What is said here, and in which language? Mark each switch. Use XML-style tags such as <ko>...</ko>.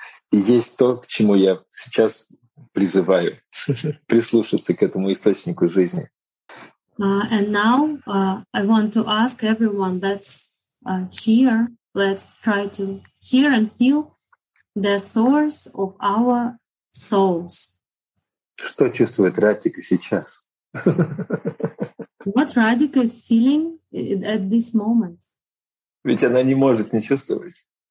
<ru>И есть то, к чему я сейчас призываю прислушаться к этому источнику жизни.</ru> <en>And now I want to ask everyone that's here, let's try to hear and feel the source of our souls.</en> <ru>Что чувствует Радхика сейчас?</ru> <en>What Radhika is feeling at this moment?</en> <ru>Ведь она не может не чувствовать.</ru>